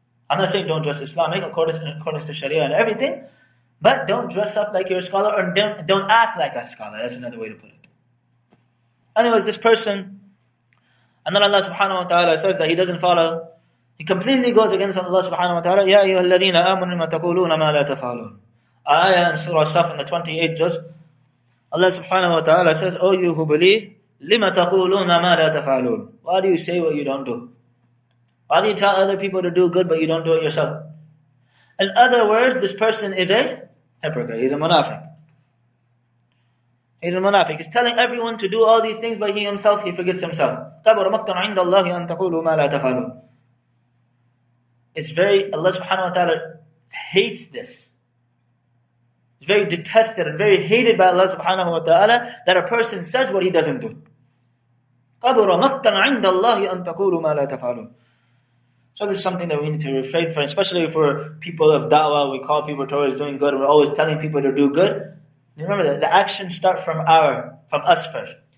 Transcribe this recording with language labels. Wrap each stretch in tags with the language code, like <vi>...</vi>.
<en>I'm not saying don't dress Islamic according to Sharia and everything, but don't dress up like you're a scholar, or don't act like a scholar. That's another way to put it. Anyways, this person, and then Allah subhanahu wa ta'ala says that he doesn't follow. He completely goes against Allah subhanahu wa ta'ala.</en> <ar>يَا أَيُّهَا الَّذِينَ آمُنُوا مَا تَقُولُونَ مَا لَا تَفَعَلُونَ</ar> <en>Ayah in Surah Saf in the 28 verse. Allah subhanahu wa ta'ala says, O you who believe,</en> <ar>لِمَا تَقُولُونَ مَا لَا تَفَعَلُونَ</ar> <en>Why do you say what you don't do? Why do you tell other people to do good but you don't do it yourself? In other words, this person is a hypocrite. He's a munafiq. He's a munafiq. He's telling everyone to do all these things, but he forgets himself.</en> <ar>كَبُرَ مَقْتًا عِنْدَ اللَّهِ أَن تَقُولُوا مَا لَا تَفَعَلُونَ</ar> <en>It's very, Allah subhanahu wa ta'ala hates this. It's very detested and very hated by Allah subhanahu wa ta'ala that a person says what he doesn't do.</en> <ar>كَبُرَ مَقْتًا عِنْدَ اللَّهِ أَن تَقُولُوا مَا لَا تَفَعَلُونَ</ar> <en>So this is something that we need to refrain from, especially for people of da'wah. We call people towards doing good. We're always telling people to do good. Remember that the actions start from us first.</en>